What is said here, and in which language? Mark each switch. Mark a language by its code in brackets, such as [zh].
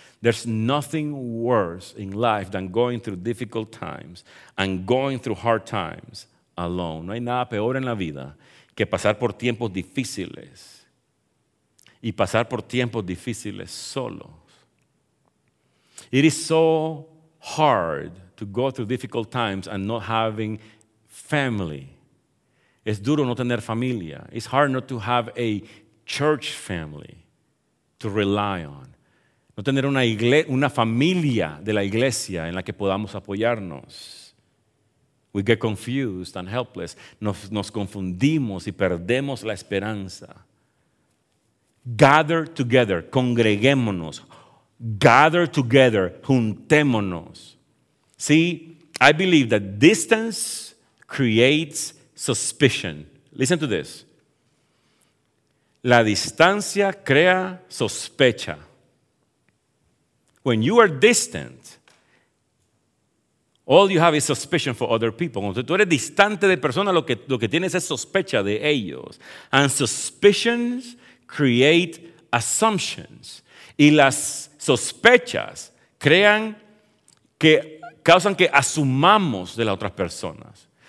[en] There's nothing worse in life than going through difficult times and going through hard times alone. [es] No hay nada peor en la vida que pasar por tiempos difíciles y pasar por tiempos difíciles solos. [en] It is so hard to go through difficult times and not having family. [es] Es duro no tener familia. [en] It's hard not to have a church family to rely on. [es] No tener una familia de la iglesia en la que podamos apoyarnos. [en] We get confused and helpless. [es] Nos confundimos y perdemos la esperanza. [en] Gather together, congreguémonos. Gather together, juntémonos. See, I believe that distance creates suspicion. Listen to this. [es] La distancia crea sospecha. [en] When you are distant, all you have is suspicion for other people. [es] Cuando tú eres distante de personas, lo que tienes es sospecha de ellos. [en] And suspicions create assumptions. [es] Y las sospechas causan que asumamos de las otras personas.